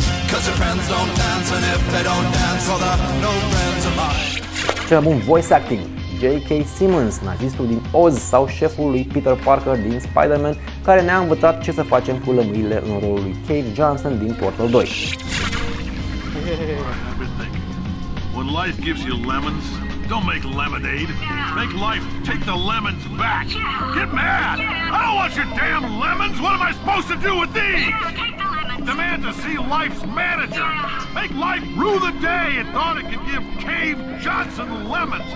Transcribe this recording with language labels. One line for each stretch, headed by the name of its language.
English: Cause your friends don't dance, and if they don't dance, well they're no friends of mine.
Romanian: Cel mai bun voice acting, J.K. Simmons, nazistul din Oz sau șeful lui Peter Parker din Spider-Man, care ne-a învățat ce să facem cu lămâile în rolul lui Cave Johnson din Portal 2.
English: When life gives you lemons, don't make lemonade. Make life take the lemons back. Get mad! I don't want your damn lemons! What am I supposed to do with these? Demand to see life's manager. Make life rue the day and thought it could give Cave Johnson lemons.